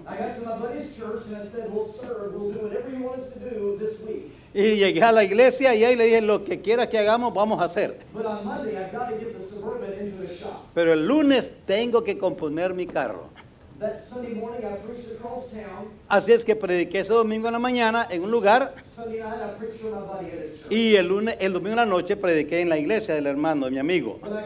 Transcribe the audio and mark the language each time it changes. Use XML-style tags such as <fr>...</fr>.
<en>I got to my buddy's church and I said, well, sir, we'll do whatever you want us to do this week.</en> <es>Y llegué a la iglesia y ahí le dije, lo que quieras que hagamos, vamos a hacer.</es> <en>But on Monday, I've got to get the Suburban into the shop.</en> <es>Pero el lunes tengo que componer mi carro.</es> <en>That Sunday morning, I preached across town.</en> <es>Así es que prediqué ese domingo en la mañana en un lugar.</es> <en>Sunday night, I preached for my buddy at his church.</en> <es>Y el lunes, el domingo en la noche prediqué en la iglesia del hermano, de mi amigo.</es>